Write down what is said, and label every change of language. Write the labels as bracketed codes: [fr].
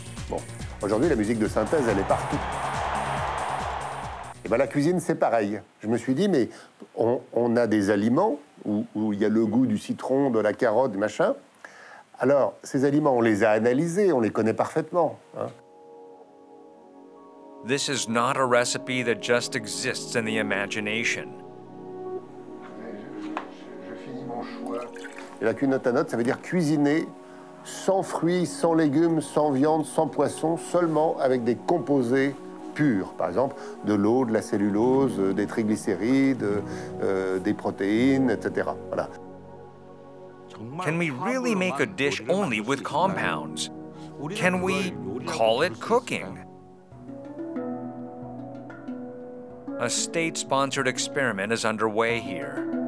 [fr] Bon, aujourd'hui, la musique de synthèse, elle est partout. Et bien, la cuisine, c'est pareil. Je me suis dit, mais on a des aliments où il y a le goût du citron, de la carotte, du machin. Alors, ces aliments, on les a analysés, on les connaît parfaitement. Hein? [en] This is not a recipe that just exists in the imagination. [fr] Et la cuinota note, ça veut dire cuisiner sans fruits, sans légumes, sans viande, sans poisson, seulement avec des composés purs. Par exemple, de l'eau, de la cellulose, des triglycérides, des protéines, etc. Voilà. [en] Can we really make a dish only with compounds? Can we call it cooking? A state-sponsored experiment is underway here.